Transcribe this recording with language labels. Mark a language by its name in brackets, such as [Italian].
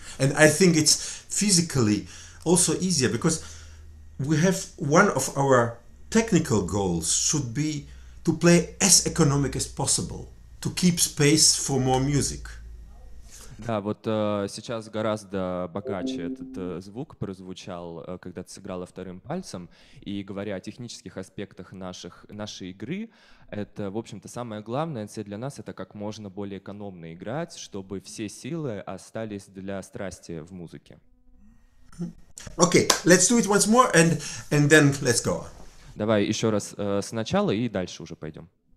[English] And I think it's physically also easier because we have one of our technical goals should be to play as economic as possible, to keep space for more music. [Russian] Да, вот сейчас гораздо богаче этот звук прозвучал, когда ты сыграла вторым пальцем. И говоря о технических аспектах нашей игры, это, в общем-то, самая главная цель для нас — это как можно более экономно играть, чтобы все силы остались для страсти в музыке. [English] Okay, let's do it once more and then let's go. [Russian] Давай еще раз сначала и дальше уже пойдем.